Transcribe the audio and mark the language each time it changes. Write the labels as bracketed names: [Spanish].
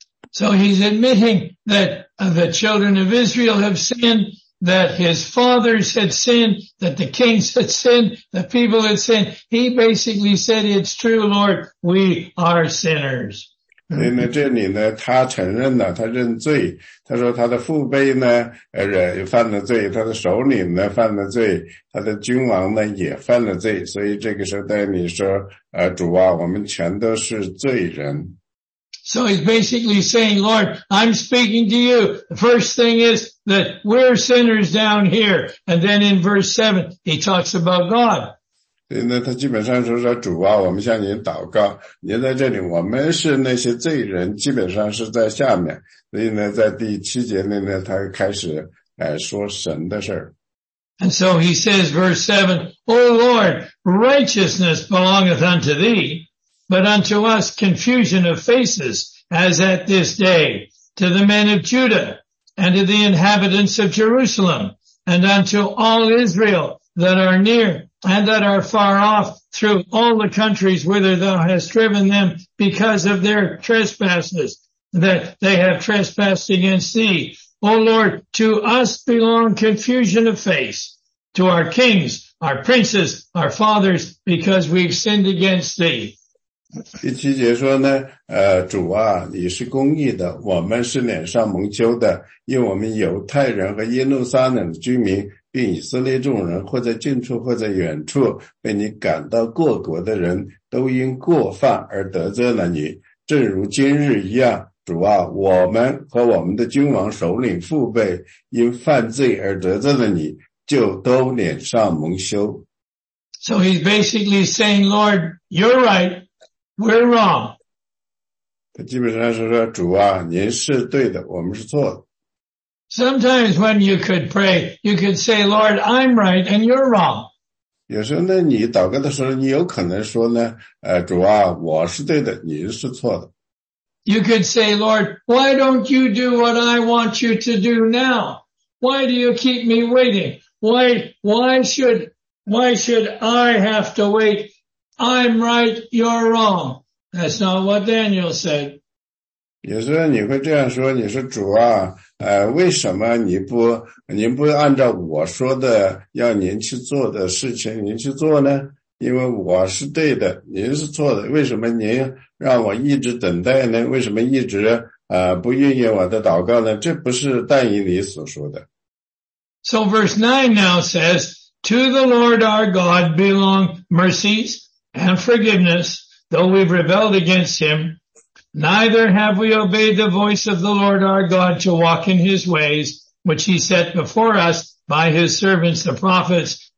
[English] So he's admitting that the children of Israel have sinned, that his fathers had sinned, that the kings had sinned, the people had sinned. He basically said, it's true, Lord, we are sinners. [Chinese] 所以呢，这里呢，他承认了，他认罪。他说他的父辈呢，犯了罪，他的首领呢，犯了罪，他的君王呢，也犯了罪。所以这个时候，对你说，主啊，我们全都是罪人。 [English] So he's basically saying, Lord, I'm speaking to you. The first thing is that we're sinners down here. And then in verse 7, he talks about God. [Chinese] 对，那他基本上说主啊，我们向您祷告，您在这里，我们是那些罪人，基本上是在下面。所以呢，在第七节里呢，他开始说神的事。 [English] And so he says, verse 7, O Lord, righteousness belongeth unto thee, but unto us confusion of faces, as at this day, to the men of Judah, and to the inhabitants of Jerusalem, and unto all Israel that are near and that are far off through all the countries whither thou hast driven them because of their trespasses, that they have trespassed against thee. O Lord, to us belong confusion of face, to our kings, our princes, our fathers, because we've sinned against thee. [Chinese] 第七节说呢，主啊，你是公义的，我们是脸上蒙羞的，因为我们犹太人和耶路撒冷居民并以色列众人，或在近处或在远处被你赶到过国的人，都因过犯而得罪了你，正如今日一样。主啊，我们和我们的君王、首领、父辈因犯罪而得罪了你，就都脸上蒙羞。 [English] So he's basically saying, Lord, you're right, we're wrong. [Chinese] 他基本上是说，主啊，您是对的，我们是错的。 [English] Sometimes when you could pray, you could say, Lord, I'm right and you're wrong. [Chinese] 有时候呢，你祷告的时候，你有可能说呢，主啊，我是对的，你是错的。 [English] You could say, Lord, why don't you do what I want you to do now? Why do you keep me waiting? Why should I have to wait? I'm right, you're wrong. That's not what Daniel said. [Chinese] 有时候你会这样说，你说主啊，为什么您不按照我说的要您去做的事情您去做呢？因为我是对的，您是错的，为什么您让我一直等待呢？为什么一直不应允我的祷告呢？这不是但以理所说的。 [English] So verse 9 now says, To the Lord our God belong mercies and forgiveness, though we've rebelled against him, Neither have we obeyed the voice of the Lord our God to walk in his ways, which he set before us by his servants, the prophets.